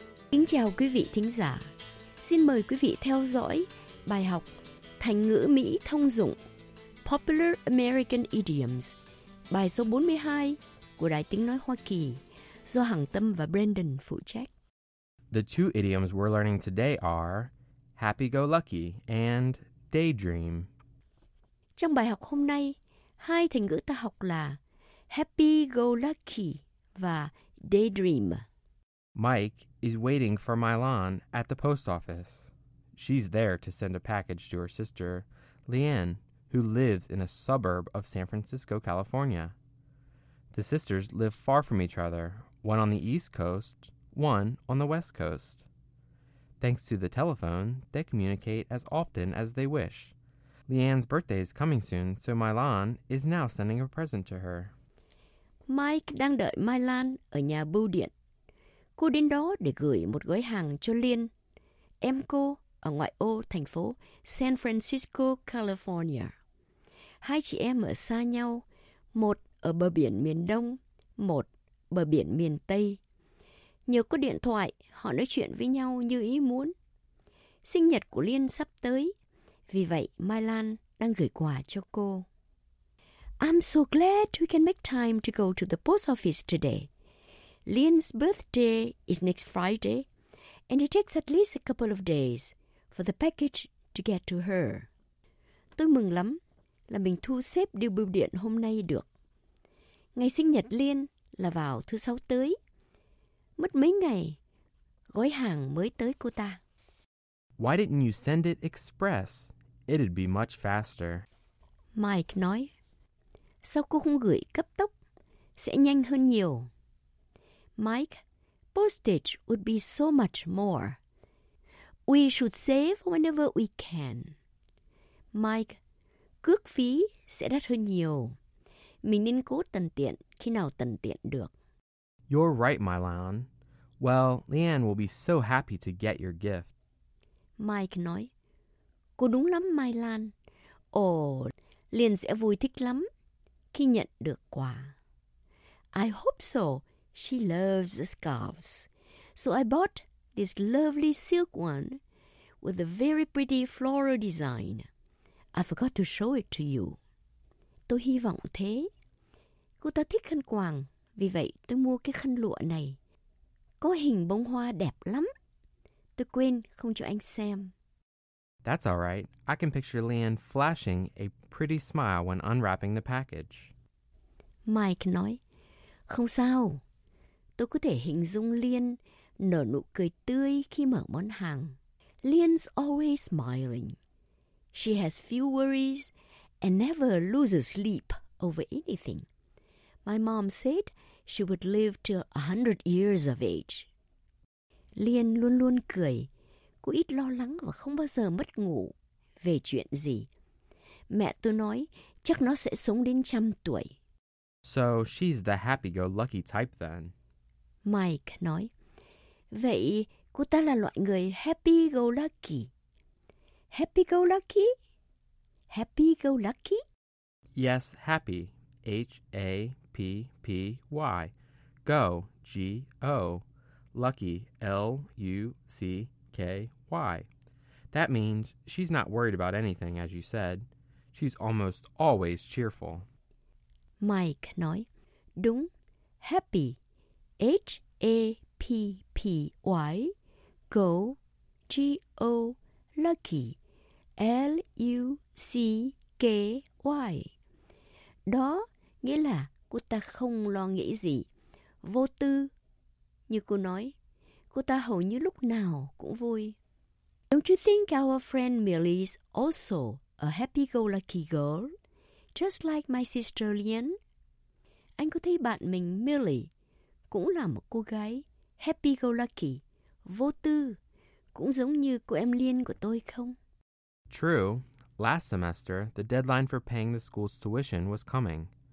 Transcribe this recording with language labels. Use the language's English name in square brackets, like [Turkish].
[Vietnamese] Kính chào quý vị thính giả. Xin mời quý vị theo dõi bài học Thành ngữ Mỹ thông dụng [English] Popular American Idioms, [Vietnamese] bài số 42 của Đài Tiếng Nói Hoa Kỳ, do Hằng Tâm và Brandon phụ trách. [English] The two idioms we're learning today are happy-go-lucky and daydream. [Vietnamese] Trong bài học hôm nay, hai thành ngữ ta học là happy-go-lucky và daydream. [English] Mike is waiting for Mylan at the post office. She's there to send a package to her sister, Leanne, who lives in a suburb of San Francisco, California. The sisters live far from each other, one on the East Coast, one on the West Coast. Thanks to the telephone, they communicate as often as they wish. Leanne's birthday is coming soon, so Mylan is now sending a present to her. [Vietnamese] Mike đang đợi Mylan ở nhà bưu điện. Cô đến đó để gửi một gói hàng cho Liên, em cô ở ngoại ô thành phố San Francisco, California. Hai chị em ở xa nhau, một ở bờ biển miền Đông, một bờ biển miền Tây. Nhờ có điện thoại, họ nói chuyện với nhau như ý muốn. Sinh nhật của Liên sắp tới, vì vậy Mylan đang gửi quà cho cô. [English] I'm so glad we can make time to go to the post office today. Lian's birthday is next Friday, and it takes at least a couple of days for the package to get to her. [Vietnamese] Tôi mừng lắm là mình thu xếp điều bưu điện hôm nay được. Ngày sinh nhật Lian là vào thứ sáu tới. Mất mấy ngày, gói hàng mới tới cô ta. [English] Why didn't you send it express? It'd be much faster. [Vietnamese] Mike nói, sao cô không gửi cấp tốc? Sẽ nhanh hơn nhiều. [English] Mike, postage would be so much more. We should save whenever we can. Mike, [Vietnamese] cước phí sẽ đắt hơn nhiều. Mình nên cố tận tiện khi nào tận tiện được. [English] You're right, Mylan. Well, Leanne will be so happy to get your gift. [Vietnamese] Mike nói, cô đúng lắm, Mylan. Ồ, Liên sẽ vui thích lắm khi nhận được quà. [English] I hope so. She loves scarves. So I bought this lovely silk one with a very pretty floral design. I forgot to show it to you. [Vietnamese] Tôi hy vọng thế. Cô ta thích khăn quàng, vì vậy tôi mua cái khăn lụa này. Có hình bông hoa đẹp lắm. Tôi quên không cho anh xem. [English] That's all right. I can picture Leanne flashing a pretty smile when unwrapping the package. [Vietnamese] Mike nói, không sao. Tôi có thể hình dung Liên nở nụ cười tươi khi mở món hàng. [English] Liên's always smiling. She has few worries and never loses sleep over anything. My mom said she would live till 100 years of age. [Vietnamese] Liên luôn luôn cười. Cô ít lo lắng và không bao giờ mất ngủ về chuyện gì. Mẹ tôi nói chắc nó sẽ sống đến 100 tuổi. [English] So she's the happy-go-lucky type then. [Vietnamese] Mike nói, vậy cô ta là loại người happy go lucky. [English] Happy go lucky? Happy go lucky? Yes, happy. H-A-P-P-Y. Go, G-O. Lucky, L-U-C-K-Y. That means she's not worried about anything, as you said. She's almost always cheerful. [Vietnamese] Mike nói, đúng, happy. H-A-P-P-Y, go, G-O, lucky, L-U-C-K-Y. Đó nghĩa là cô ta không lo nghĩ gì, vô tư. Như cô nói, cô ta hầu như lúc nào cũng vui. [English] Don't you think our friend Millie is also a happy-go-lucky girl, just like my sister Lian? [Vietnamese] Anh có thấy bạn mình Millie cũng là một cô gái happy-go-lucky, vô tư, cũng giống như cô em Liên của tôi không? [English] True. Last semester, the deadline for paying the school's tuition was coming.